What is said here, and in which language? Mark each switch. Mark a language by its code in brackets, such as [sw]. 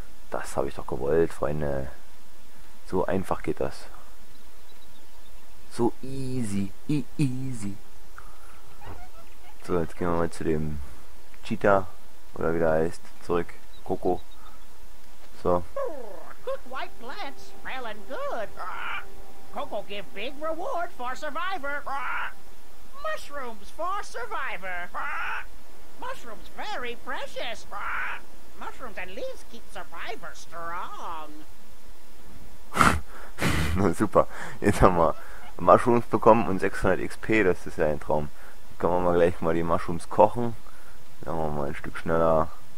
[de] Das habe ich doch gewollt, Freunde. So einfach geht das. [en] So easy, easy. [de] So, jetzt gehen wir mal zu dem Cheetah, oder wie der heißt, zurück. Coco. So. [en] Cooked white plants, smelling good. Coco give big reward for survivor. Mushrooms for survivor. Mushrooms very precious. Mushrooms and leaves keep survivors strong. [de] Na super. Jetzt haben wir Mushrooms bekommen und 600 XP. Das ist ja ein Traum. Jetzt können wir mal gleich mal die Mushrooms kochen. Dann machen wir mal ein Stück schneller.